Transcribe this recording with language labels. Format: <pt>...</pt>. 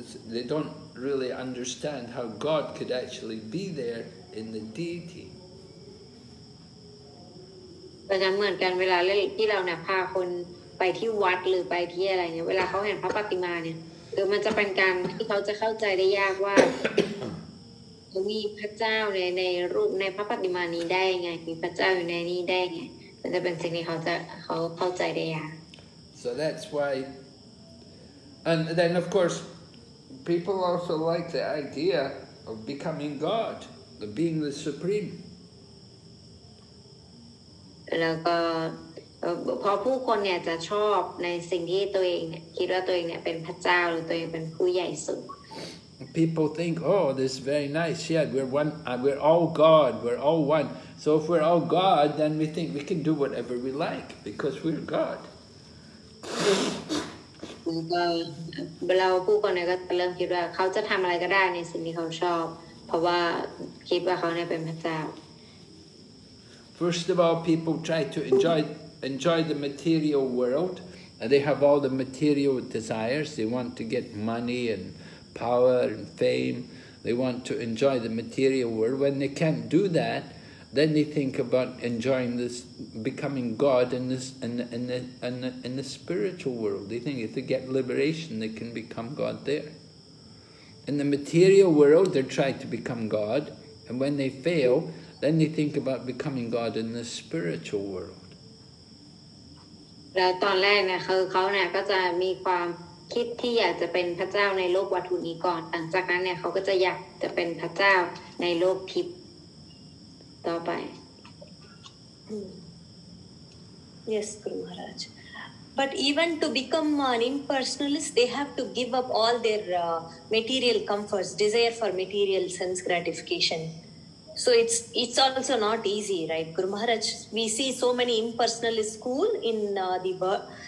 <en>They don't really understand how God could actually be there in the deity.</en> <th>เพราะฉะนั้นเหมือนกันเวลาที่เราเนี่ยพาคนไปที่วัดหรือไปที่อะไรเนี่ยเวลาเขาเห็นพระปฏิมาเนี่ยหรือมันจะเป็นการที่เขาจะเข้าใจได้ยากว่ามีพระเจ้าในรูปในพระปฏิมานี้ได้ยังไงมีพระเจ้าอยู่ในนี้ได้ยังไงมันจะเป็นสิ่งที่เขาเข้าใจได้ยาก</th> <en>so that's why and then of course people also like the idea of becoming God of being the supreme</en> <th>แล้วก็พอผู้คนเนี่ยจะชอบในสิ่งที่ตัวเองคิดว่าตัวเองเนี่ยเป็นพระเจ้าหรือตัวเองเป็นผู้ใหญ่สุด</th> <en>People think oh this is very nice yeah we're one we're all God we're all one so if we're all God then we think we can do whatever we like because we're God</en> <th>แล้วผู้คนเนี่ยก็เริ่มคิดว่าเขาจะทำอะไรก็ได้ในสิ่งที่เขาชอบเพราะว่าคิดว่าเขาเนี่ยเป็นพระเจ้า</th> <en>First of all, people try to enjoy the material world. And they have all the material desires. They want to get money and power and fame. They want to enjoy the material world. When they can't do that, then they think about enjoying this, becoming God in this, in the spiritual world. They think if they get liberation, they can become God there. In the material world, they're trying to become God, and when they fail, then they think about becoming God in the spiritual world.</en> <th>แล้วตอนแรกเนี่ยคือเขาเนี่ยก็จะมีความคิดที่อยากจะเป็นพระเจ้าในโลกวัตถุนี้ก่อนหลังจากนั้นเนี่ยเขาก็จะอยากจะเป็นพระเจ้าในโลกทิพย์ต่อไป</th> <en>Yes Guru Maharaj but even to become an impersonalist they have to give up all their material comforts desire for material sense gratification So it's also not easy, right? Guru Maharaj, we see so many impersonalist school in the world.</en>